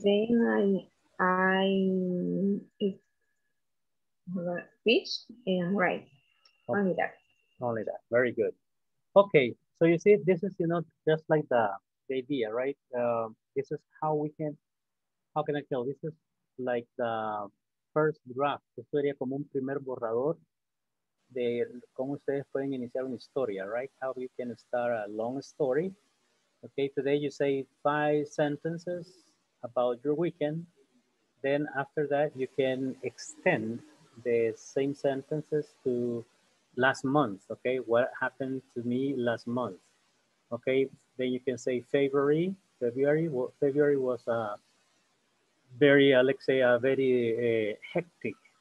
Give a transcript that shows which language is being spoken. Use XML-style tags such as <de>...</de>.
<en>Then I eat fish and rice. Okay. Only that. Only that. Very good. Okay. So you see, this is, you know, just like the idea, right? This is how we can, how can I tell? This is like the first draft.</en> <es>Esto sería como un primer borrador de cómo ustedes pueden iniciar una historia, right?</es> <en>How you can start a long story. Okay, today you say 5 sentences about your weekend. Then after that, you can extend the same sentences to last month. Okay, what happened to me last month? Okay, then you can say February was very hectic.</en>